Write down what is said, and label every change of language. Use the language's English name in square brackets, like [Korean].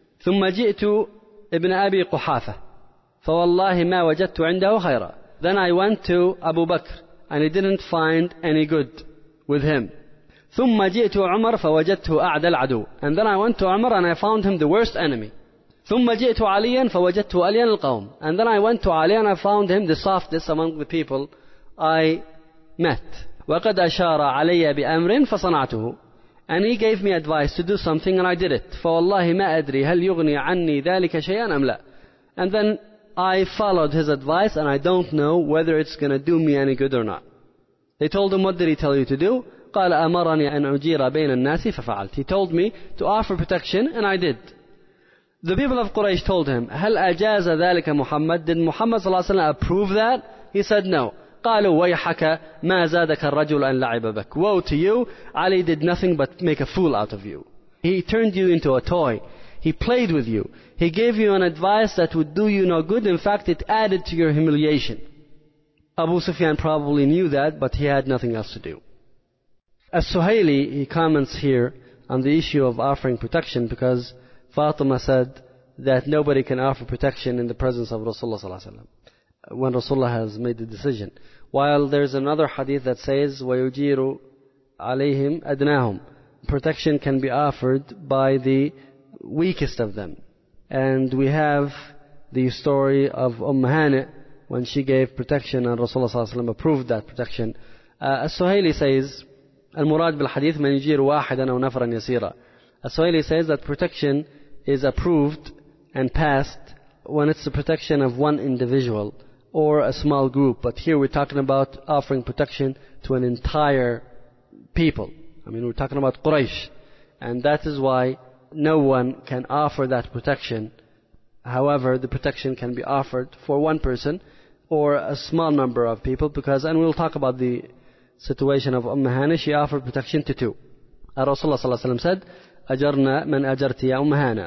[Arabic] ثُمَّ جِئْتُ ابْنَ أَبِي قُحَافَةَ. فَوَاللَّهِ مَا وَجَدْتُ عِنْدَهُ خَيْرًا. [English] Then I went to Abu Bakr, and he didn't find any good with him. [Arabic] ثُمَّ جِئْتُ عُمَرَ فَوَجَدْتُ أَعْدَى الْعَدُوِ. [English] And then I went to Umar, and I found him the worst enemy. [Arabic] ثم جئت عليا فوجدته عليا القوم. [English] And then I went to Ali and I found him the softest among the people I met. [Arabic] وقد أشار علي بأمر فصنعته. [English] And he gave me advice to do something and I did it. [Arabic] فوالله ما أدري هل يغني عني ذلك شيئا أم لا. [English] And then I followed his advice and I don't know whether it's going to do me any good or not. They told him, what did he tell you to do? [Arabic] قال أمرني أن أجير بين الناس ففعلت. [English] He told me to offer protection and I did. The people of Quraysh told him, [Arabic] هل أجاز ذلك محمد? [English] Did Muhammad صلى الله عليه وسلم approve that? He said no. [Arabic] قالوا ويحك ما زادك الرجل أن لعب بك. [English] Woe to you, Ali did nothing but make a fool out of you. He turned you into a toy. He played with you. He gave you an advice that would do you no good. In fact, it added to your humiliation. Abu Sufyan probably knew that, but he had nothing else to do. As Suhaili, he comments here on the issue of offering protection because Fatima said that nobody can offer protection in the presence of Rasulullah sallallahu alaihi wasallam. When Rasulullah has made the decision. While there is another hadith that says, [Arabic] وَيُجِيرُ عَلَيْهِمْ أَدْنَاهُمْ. [English] Protection can be offered by the weakest of them. And we have the story of Umm Hani' when she gave protection and Rasulullah صلى الله عليه وسلم approved that protection. As-Suhaili says, [Arabic] المراد بالحديث من يجير واحدا أو نفرا يسيرا. [English] As-Suhaili says that protection is approved and passed when it's the protection of one individual or a small group. But here we're talking about offering protection to an entire people. I mean, we're talking about Quraysh. And that is why no one can offer that protection. However, the protection can be offered for one person or a small number of people because, and we'll talk about the situation of Umm Hani, she offered protection to two. [Arabic] Rasulullah sallallahu alaihi wasallam said, أَجَرْنَا مَنْ أَجَرْتِ يَا أُمَّ هَانَ.